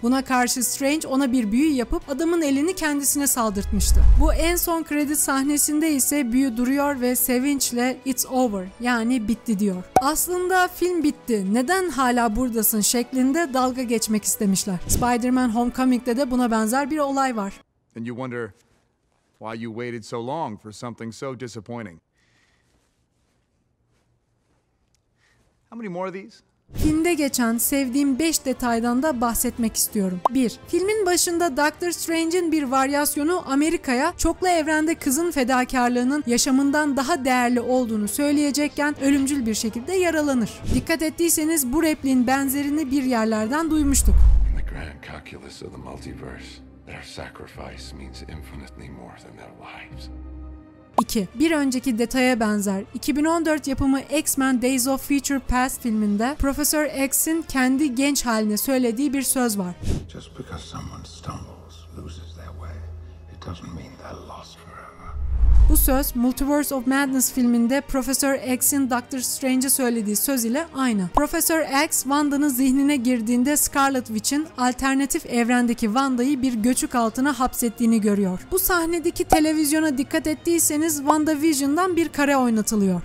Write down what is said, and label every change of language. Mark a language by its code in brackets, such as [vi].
[tr] Buna karşı Strange ona bir büyü yapıp adamın elini kendisine saldırtmıştı. Bu en son kredi sahnesinde ise büyü duruyor ve sevinçle [en] "It's over," [tr] yani bitti diyor. Aslında film bitti, neden hala buradasın şeklinde dalga geçmek istemişler. Spider-Man Homecoming'de de buna benzer bir olay var. [en] And you wonder why you waited so long for something so disappointing. How many more of these? [tr] Filmde geçen sevdiğim 5 detaydan da bahsetmek istiyorum. 1. Filmin başında Dr. Strange'in bir varyasyonu Amerika'ya çoklu evrende kızın fedakarlığının yaşamından daha değerli olduğunu söyleyecekken ölümcül bir şekilde yaralanır. Dikkat ettiyseniz bu repliğin benzerini bir yerlerden duymuştuk. [en] The grand calculus of the multiverse. Their sacrifice means infinitely more than their lives. 2. [tr] Bir önceki detaya benzer, 2014 yapımı X-Men Days of Future Past filminde Profesör X'in kendi genç haline söylediği bir söz var. [en] Just because someone stumbles, loses their way, it doesn't mean they're lost forever. [tr] Bu söz Multiverse of Madness filminde Profesör X'in Doctor Strange'e söylediği söz ile aynı. Profesör X, Wanda'nın zihnine girdiğinde Scarlet Witch'in alternatif evrendeki Wanda'yı bir göçük altına hapsettiğini görüyor. Bu sahnedeki televizyona dikkat ettiyseniz WandaVision'dan bir kare oynatılıyor.